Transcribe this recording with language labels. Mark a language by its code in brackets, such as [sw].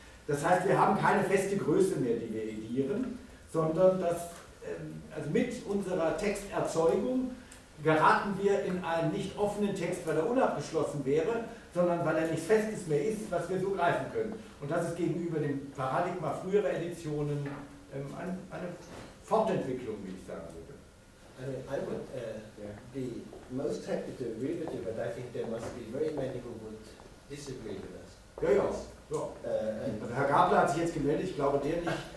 [de] Das heißt, wir haben keine feste Größe mehr, die wir edieren, sondern dass also mit unserer Texterzeugung geraten wir in einen nicht offenen Text, weil er unabgeschlossen wäre, sondern weil er nichts Festes mehr ist, was wir so greifen können. Und das ist gegenüber dem Paradigma früherer Editionen eine Fortentwicklung, wie ich sagen würde. [en] I would be most happy to agree with you, but I think there must be very many who would disagree with us. [de] Also Herr Gabler hat sich jetzt gemeldet, ich glaube der nicht.